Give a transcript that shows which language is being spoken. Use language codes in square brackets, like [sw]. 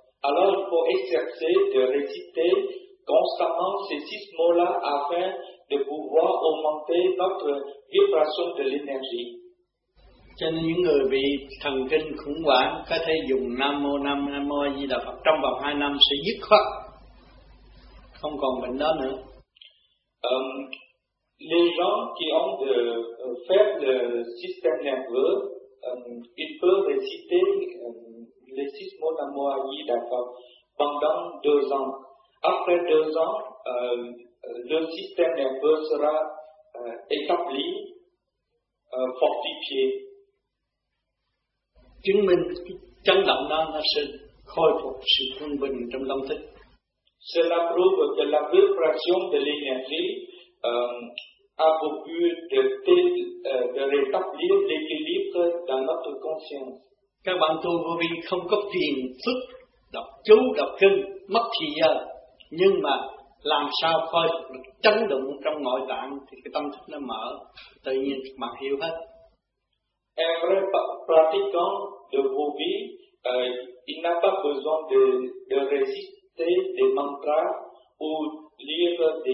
[fr] Alors il faut exercer de réciter constamment ces six mots-là afin de pouvoir augmenter notre vibration de l'énergie. [vi] Cho nên những người bị thần kinh khủng hoảng có thể dùng Nam Mô A Di Đà Phật trong vòng 2 năm sẽ dứt khoát, không còn bệnh đó nữa. [fr] Les gens qui ont de faible système nerveux, ils peuvent réciter les 6 mots Nam Mô A Di Đà Phật pendant 2 ans. Après 2 ans, le système nerveux sera établi, fortifié. [vi] Chứng minh chấn động đó nó sẽ khôi phục sự quân bình trong tâm thức. [fr] Cela prouve que la pure fraction de l'énergie a pour but de rétablir l'équilibre dans notre conscience. [vi] Các bạn tu vô vi không có thiền xuất, đọc chú, đọc kinh, mất thì giờ. Nhưng mà làm sao coi được chấn động trong nội tạng thì cái tâm thức nó mở, tự nhiên mặt hiểu hết. [fr] Every pratiquant de vos vies, il n'a pas besoin de réciter des mantras ou lire